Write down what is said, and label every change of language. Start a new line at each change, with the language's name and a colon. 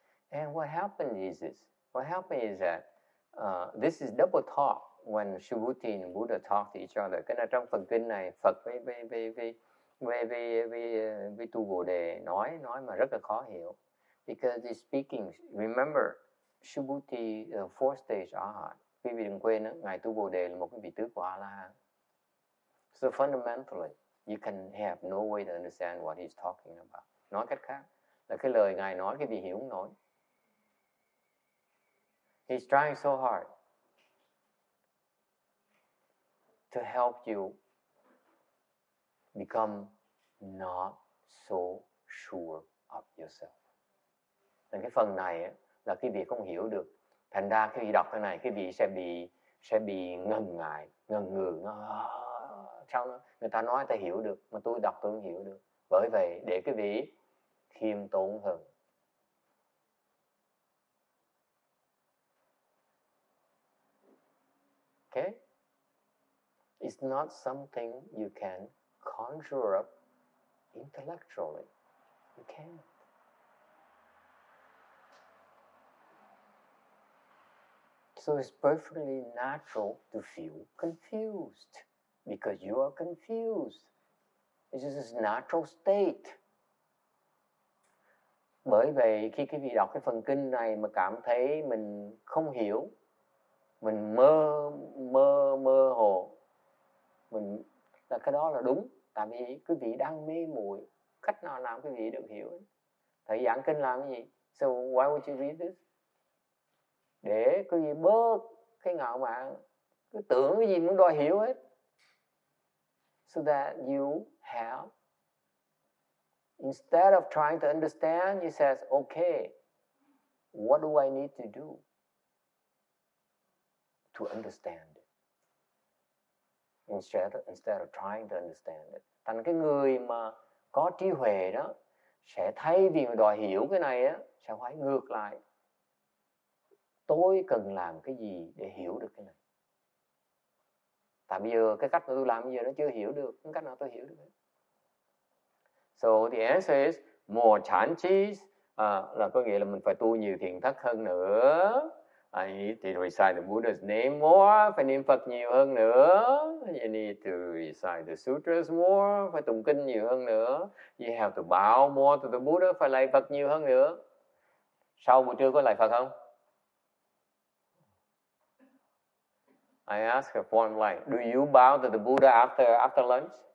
English: And what happened is that this is double talk when Subhuti and Buddha talk to each other.
Vietnamese: Cái này trong phần kinh này, Phật với Tu Bồ Đề nói mà rất là khó hiểu.
English: Because he's speaking, remember, Subhuti, four stage Arhat.
Vietnamese: Quý vị đừng quên, Ngài Tu Bồ Đề là một vị tước của A-la-hán.
English: So fundamentally, you can have no way to understand what he's talking about.
Vietnamese: Nói cách khác, là cái lời Ngài nói, cái vị hiểu không nói.
English: He's trying so hard to help you become not so sure of yourself.
Vietnamese: Là cái phần này là cái vị không hiểu được. Thành ra khi đọc cái này, cái vị sẽ bị ngần ngại, ngần ngừ. Sao người ta nói ta hiểu được, mà tôi đọc tôi không hiểu được. Bởi vậy, để cái vị khiêm tốn hơn.
English: Okay? It's not something you can conjure up intellectually. You can't. So it's perfectly natural to feel confused because you are confused. It's just a natural state.
Vietnamese: Bởi vậy khi quý vị đọc cái phần kinh này mà cảm thấy mình không hiểu, mình mơ hồ, mình là cái đó là đúng. Tại vì quý vị đang mê muội, cách nào làm quý vị được hiểu? Thầy giảng kinh làm cái gì?
English: So why would you read this?
Vietnamese: Để quý vị bớt cái ngạo mạn, cứ tưởng cái gì muốn đòi hiểu hết.
English: So that you have, instead of trying to understand, he says, okay, what do I need to do to understand it? Instead of trying to understand it.
Vietnamese: Thành cái người mà có trí huệ đó, sẽ thay vì mà đòi hiểu cái này á, sẽ hỏi ngược lại. Tôi cần làm cái gì để hiểu được cái này? Tại bây giờ cái cách mà tôi làm bây giờ nó chưa hiểu được, cái cách nào tôi hiểu được hết.
English: So the answer is more chan chis,
Vietnamese: là có nghĩa là mình phải tu nhiều thiền thất hơn nữa.
English: I need to recite the Buddha's name more,
Vietnamese: phải niệm Phật nhiều hơn nữa.
English: You need to recite the sutras more,
Vietnamese: phải tụng kinh nhiều hơn nữa.
English: You have to bow more to the Buddha,
Vietnamese: phải lạy Phật nhiều hơn nữa. Sau buổi trưa có lạy Phật không?
English: I ask a form like, do you bow to the Buddha after lunch?